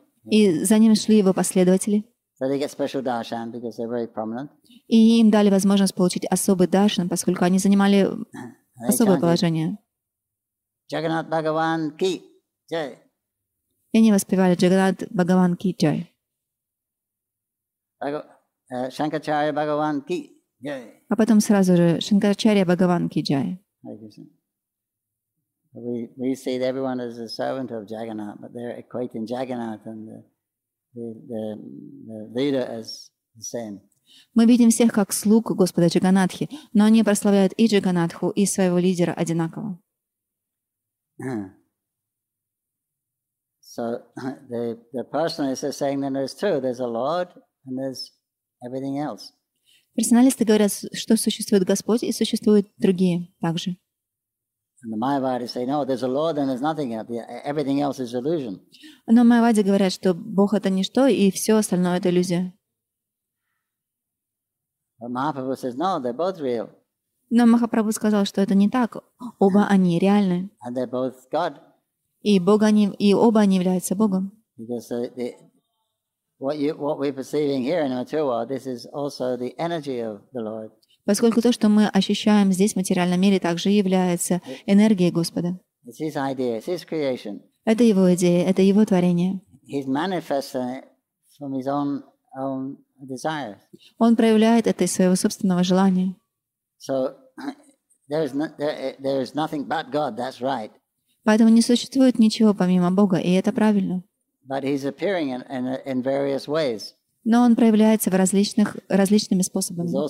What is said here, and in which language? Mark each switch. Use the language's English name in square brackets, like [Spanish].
[Russian] И за ним шли его последователи. [English] So they get special darshan because they're very prominent. [Russian] И им дали возможность получить особый даршан, поскольку они занимали особое положение. [Hindi] Jagannath Bhagavan ki jai. [Russian] И они воспевали [Hindi] Jagannath Bhagavan ki jai. Shankaracharya Bhagavan ki jai. [Russian] А потом сразу же [Hindi] Shankaracharya Bhagavan ki jai. [English] We see everyone as a servant of Jagannath, but they're equating Jagannath and the leader as the same. [Russian] Мы видим всех как слуг Господа Джаганатхи, но они прославляют и Джаганатху, и своего лидера одинаково. [English] So the personalists are saying that there's two. There's a Lord and there's everything else. [Russian] Персоналисты говорят, что существует Господь и существуют другие также. [English] And the Mayavadis say, no, there's a Lord and there's nothing else. Everything else is illusion. [Russian] Но Майявади говорят, что Бог это ничто и все остальное это иллюзия. [English] But Mahaprabhu says, no, they're both real. [Russian] Но Махапрабху сказал, что это не так. Оба они реальны. [English] And they're both God. [Russian] И Бог они, и оба они являются Богом. [English] Because what we're perceiving here in the material world, this is also the energy of the Lord. [Russian] Поскольку то, что мы ощущаем здесь, в материальном мире, также является энергией Господа. [English] It's his idea, it's his creation. [Russian] Это его идея, это его творение. [English] He's manifesting it from his own desires. [Russian] Он проявляет это из своего собственного желания. [English] So, there is nothing but God, that's right. [Russian] Поэтому не существует ничего помимо Бога, и это правильно. [English] But he's appearing in various ways. [Russian] Но он проявляется в различными способами.